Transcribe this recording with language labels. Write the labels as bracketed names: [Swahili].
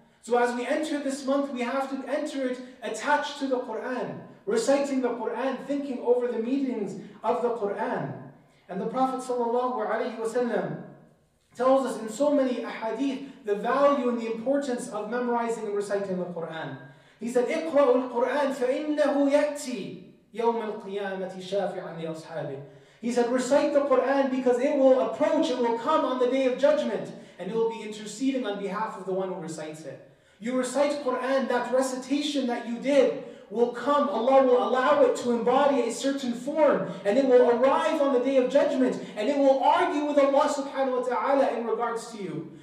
[English] So as we enter this month, we have to enter it attached to the Qur'an, reciting the Qur'an, thinking over the meanings of the Qur'an. And the Prophet ﷺ tells us in so many ahadith the value and the importance of memorizing and reciting the Qur'an. [Arabic] He said, اِقْرَأُ الْقُرْآنَ فَإِنَّهُ يَأْتِي يوم القيامة شافعا لأصحابه. [English] He said, recite the Qur'an because it will approach, it will come on the day of judgment, and it will be interceding on behalf of the one who recites it. You recite Qur'an, that recitation that you did will come, Allah will allow it to embody a certain form, and it will arrive on the day of judgment, and it will argue with Allah subhanahu wa ta'ala in regards to you.